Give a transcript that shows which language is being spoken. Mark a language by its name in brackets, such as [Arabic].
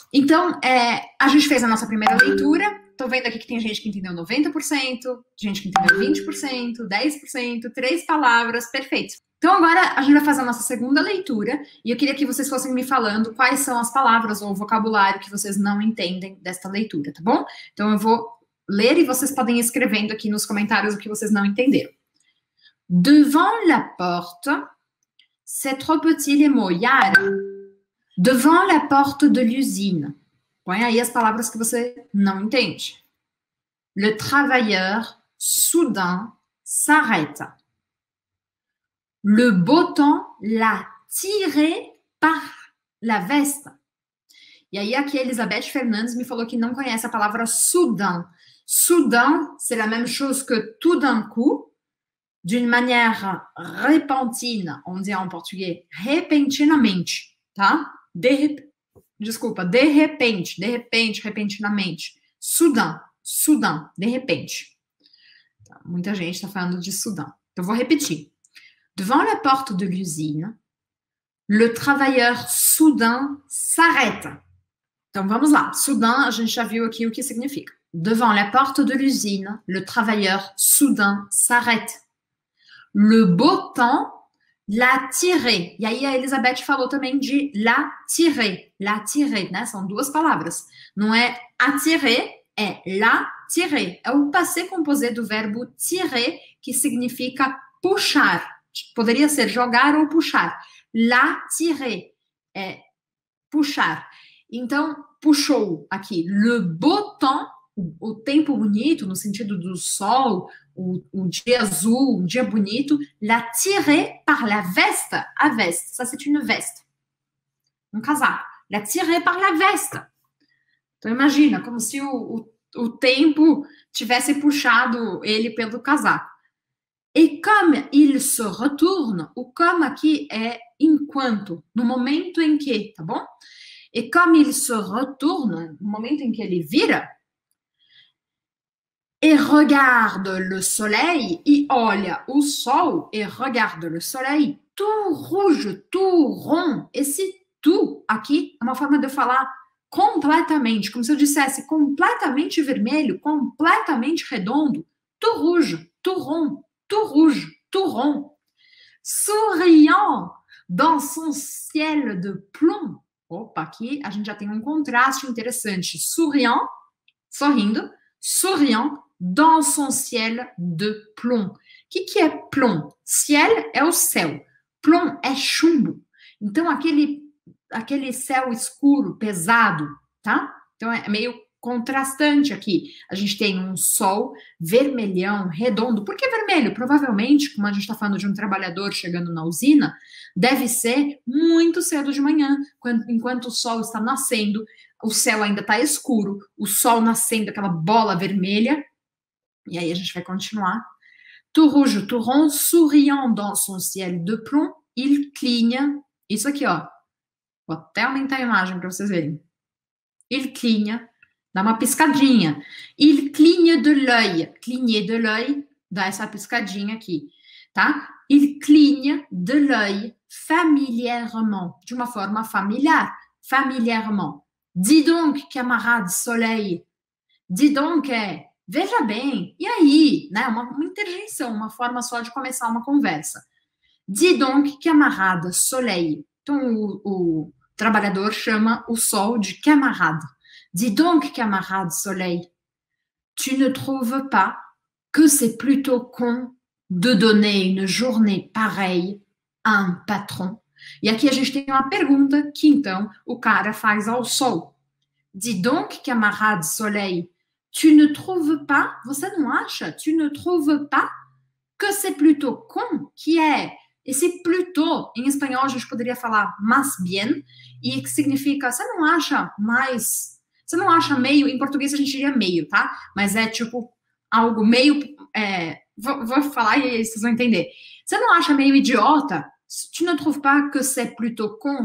[Portuguese] Então, a gente fez a nossa primeira leitura. Tô vendo aqui que tem gente que entendeu 90%, gente que entendeu 20%, 10%, três palavras, perfeito. Então, agora a gente vai fazer a nossa segunda leitura e eu queria que vocês fossem me falando quais são as palavras ou o vocabulário que vocês não entendem desta leitura, tá bom? Então, eu vou ler e vocês podem ir escrevendo aqui nos comentários o que vocês não entenderam. [French] Devant la porte, c'est trop petit les mots. Yara. Devant la porte de l'usine. [Portuguese] Põe aí as palavras que você não entende. [French] Le travailleur soudain s'arrête. Le beau temps l'a tiré par la veste. [Portuguese] E aí aqui a Elizabeth Fernandes me falou que não conhece a palavra soudain. [French] Soudain, c'est la même chose que tout d'un coup. D'une manière repentine, on dit en portugais, [Portuguese] repentinamente, tá? De repente, repentinamente. Soudain, de repente. Muita gente está falando de soudain. Então, vou repetir. [French] Devant la porte de l'usine, le travailleur soudain s'arrête. [Portuguese] Então, vamos lá. Soudain, a gente já viu aqui o que significa. [French] Devant la porte de l'usine, le travailleur soudain s'arrête. Le beau temps l'a tiré. [Portuguese] E aí a Elizabeth falou também de l'a tiré. [French] L'a tiré, [Portuguese] né? São duas palavras. Não é attirer, é l'a tiré. É o passé composé do verbo tirer, que significa puxar. Poderia ser jogar ou puxar. L'a tiré é puxar. Então, puxou aqui. [French] Le beau temps, [Portuguese] o tempo bonito, no sentido do sol, o dia azul, o dia bonito, [French] l'a tiré par la veste, [Portuguese] a veste, [French] ça c'est une veste, [Portuguese] um casaco, l'a tiré par la veste. Então imagina, como se o tempo tivesse puxado ele pelo casaco. [French] Et comme il se retourne, [Portuguese] o comme aqui é enquanto, no momento em que, tá bom? [French] Et comme il se retourne, [Portuguese] no momento em que ele vira, [French] et regarde le soleil, [Portuguese] e olha o sol, [French] et regarde le soleil, tout rouge, tout rond. [Portuguese] Esse tout aqui é uma forma de eu falar completamente, como se eu dissesse completamente vermelho, completamente redondo. [French] Tout rouge, tout rond, tout rouge, tout rond. Souriant dans son ciel de plomb. [Portuguese] Opa, aqui a gente já tem um contraste interessante. [French] Souriant, sorrindo, souriant. Dans son ciel de plomb. [Portuguese] Que é [French] plomb? [Portuguese] Ciel é o céu. Plomb é chumbo. Então, aquele céu escuro, pesado, tá? Então, é meio contrastante aqui. A gente tem um sol vermelhão, redondo. Por que vermelho? Provavelmente, como a gente está falando de um trabalhador chegando na usina, deve ser muito cedo de manhã, enquanto o sol está nascendo, o céu ainda está escuro, o sol nascendo, aquela bola vermelha. E aí a gente vai continuar. [French] Tout rouge, tout rond, souriant dans son ciel de plomb, il cligne. [Portuguese] Isso aqui, ó. Vou até aumentar a imagem para vocês verem. [French] Il cligne. [Portuguese] Dá uma piscadinha. [French] Il cligne de l'œil. [Portuguese] Cligner de l'œil. Dá essa piscadinha aqui, tá? [French] Il cligne de l'œil familièrement. [Portuguese] De uma forma familiar. [French] Familièrement. Dis donc, camarade soleil. Dis donc, [Portuguese] veja bem, e aí, né? Uma interjeição, uma forma só de começar uma conversa. [French] Dis donc, camarade soleil. [Portuguese] Então, o trabalhador chama o sol de camarade. [French] Dis donc, camarade soleil. Tu ne trouves pas que c'est plutôt con de donner une journée pareille à un patron? [Portuguese] E aqui a gente tem uma pergunta que, então, o cara faz ao sol. [French] Dis donc, camarade soleil. Tu ne trouves pas, [Portuguese] você não acha, [French] tu ne trouves pas que c'est plutôt con, [Portuguese] que é, esse plutôt, em espanhol a gente poderia falar [Spanish] mas bien, [Portuguese] e que significa, você não acha mais, você não acha meio, em português a gente diria meio, tá? Mas é tipo algo meio, vou falar e vocês vão entender. Você não acha meio idiota? [French] Tu ne trouves pas que c'est plutôt con?